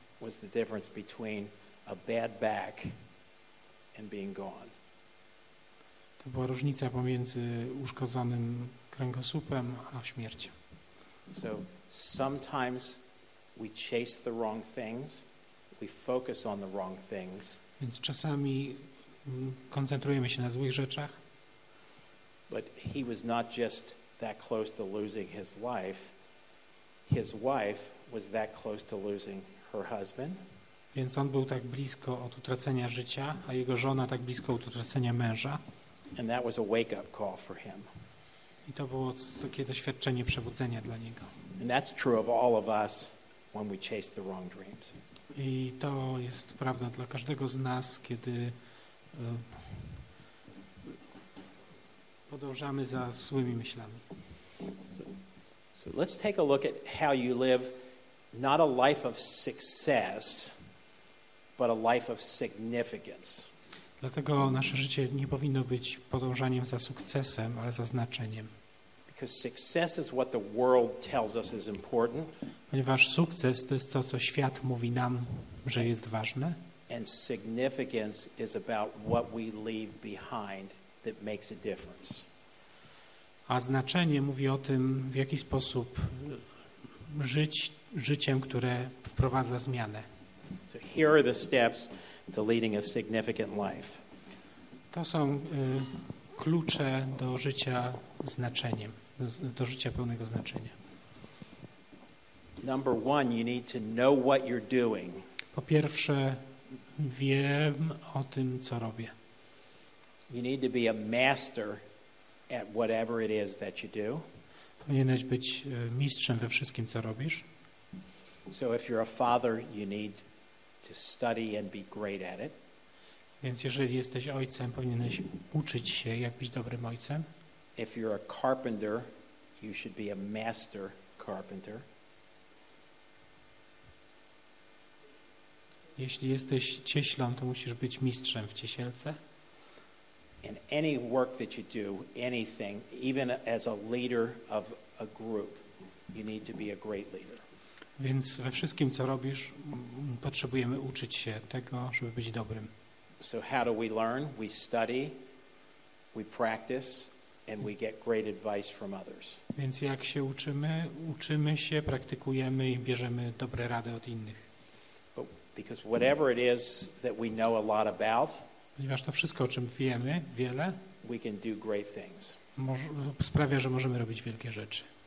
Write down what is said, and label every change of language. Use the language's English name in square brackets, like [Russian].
[English] Was the difference between a bad back and being gone. [Polish] To była różnica pomiędzy uszkodzonym kręgosłupem a śmiercią. [English] So sometimes we chase the wrong things, we focus on the wrong things. [Polish] Więc czasami koncentrujemy się na złych rzeczach. [English] But he was not just that close to losing his life. His wife was that close to losing her husband. [Polish] Więc on był tak blisko od utracenia życia, a jego żona tak blisko od utracenia męża. [English] And that was a wake-up call for him. [Polish] I to było takie doświadczenie przebudzenia dla niego. [English] And that's true of all of us when we chase the wrong dreams. [Polish] I to jest prawda dla każdego z nas, kiedy podążamy za złymi myślami. [English] So let's take a look at how you live not a life of success, but a life of significance. [Polish] Dlatego nasze życie nie powinno być podążaniem za sukcesem, ale za znaczeniem. [English] Because success is what the world tells us is important. [Polish] Ponieważ sukces to jest to, co świat mówi nam, że jest ważne. [English] And significance is about what we leave behind that makes a difference. [Polish] A znaczenie mówi o tym, w jaki sposób żyć życiem, które wprowadza zmianę. [English] So here are the steps to leading a significant life. [Polish] To są klucze do życia znaczeniem, do życia pełnego znaczenia. [English] Number one, you need to know what you're doing. [Polish] Po pierwsze, wiem o tym, co robię. [English] You need to be a master at whatever it is that you do. [Polish] Powinieneś być mistrzem we wszystkim, co robisz. [English] So if you're a father, you need to study and be great at it. [Polish] Więc jeżeli jesteś ojcem, powinieneś uczyć się, jak być dobrym ojcem. [English] If you're a carpenter, you should be a master carpenter. [Polish] Jeśli jesteś cieślą, to musisz być mistrzem w cieślce. [English] In any work that you do, anything, even as a leader of a group, you need to be a great leader. [Polish] Więc we wszystkim, co robisz, potrzebujemy uczyć się tego, żeby być dobrym. [English] So how do we learn? We study, we practice, and we get great advice from others. [Polish] Więc jak się uczymy? Uczymy się, praktykujemy i bierzemy dobre rady od innych. [English] But because whatever it is that we know a lot about, [Polish] ponieważ to wszystko, o czym wiemy, wiele, [English] we can do great things. [Polish] Sprawia, że możemy robić wielkie rzeczy.